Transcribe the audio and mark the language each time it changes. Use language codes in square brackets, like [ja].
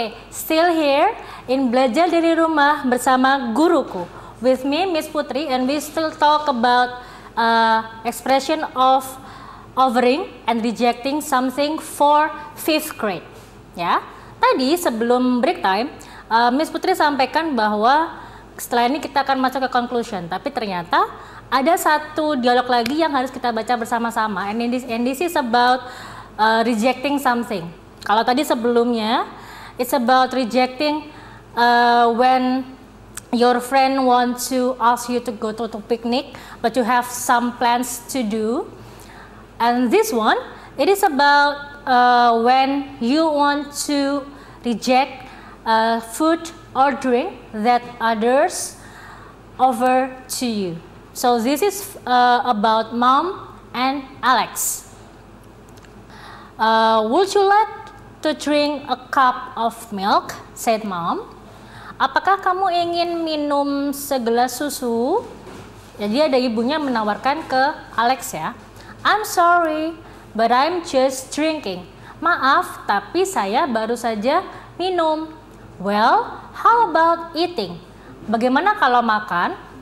[en] Still here in [id] belajar dari rumah bersama guruku. [en] With me, Miss Putri, and we still talk about expression of offering and rejecting something for fifth grade. [id] Ya, tadi sebelum break time, Miss Putri sampaikan bahwa setelah ini kita akan masuk ke conclusion. Tapi ternyata ada satu dialog lagi yang harus kita baca bersama-sama. [en] And this is about rejecting something. [id] Kalau tadi sebelumnya, [en] it's about rejecting when your friend want to ask you to go to picnic, but you have some plans to do. And this one, it is about when you want to reject food or drink that others offer to you. So this is about Mom and Alex. Would you let to drink a cup of milk, said Mom. [id] Apakah kamu ingin minum segelas susu? Jadi ada ibunya menawarkan ke Alex ya. [en] I'm sorry, but I'm just drinking. [id] Maaf, tapi saya baru saja minum. [en] Well, how about eating? [id] Bagaimana kalau makan?